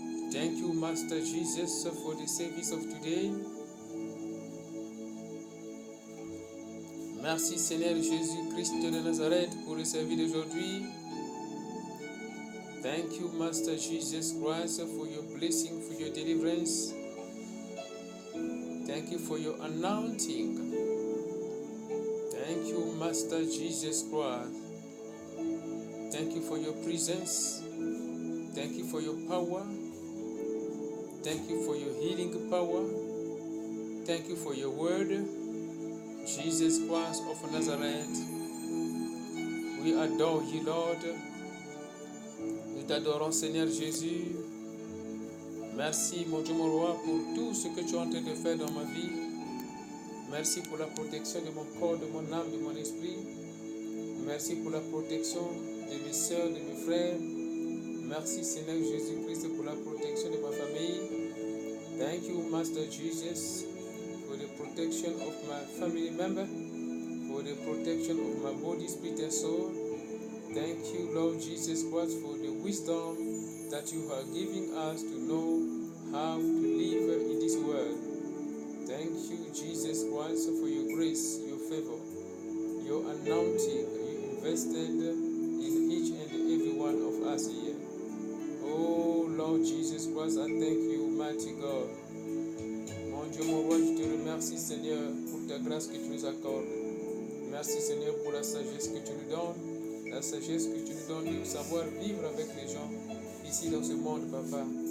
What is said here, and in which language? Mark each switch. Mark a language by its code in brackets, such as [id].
[en] Thank you, Master Jesus, for the service of today. [fr] Merci, Seigneur Jésus-Christ de Nazareth, pour le service d'aujourd'hui. [en] Thank you, Master Jesus Christ, for your blessing, for your deliverance. Thank you for your anointing. Thank you, Master Jesus Christ. Thank you for your presence. Thank you for your power. Thank you for your healing power. Thank you for your word. Jesus Christ of Nazareth. We adore you, Lord. [fr] Nous t'adorons, Seigneur Jésus. Merci, mon Dieu, mon roi, pour tout ce que tu es en train de faire dans ma vie. Merci pour la protection de mon corps, de mon âme, de mon esprit. Merci pour la protection de mes soeurs, de mes frères. Merci Seigneur Jésus-Christ pour la protection de ma famille. [en] Thank you Master Jesus for the protection of my family member, for the protection of my body, spirit and soul. Thank you Lord Jesus Christ for the wisdom that you are giving us to know how to live in this world. Thank you Jesus Christ for your grace, your favor, your anointing you invested in each and every one of us here. Oh Lord Jesus Christ, I thank you, mighty God. [fr] Mon Dieu, mon roi, je te remercie, Seigneur, pour ta grâce que tu nous accordes. Merci, Seigneur, pour la sagesse que tu nous donnes, la sagesse que tu nous donnes de savoir vivre avec les gens ici dans ce monde, Papa.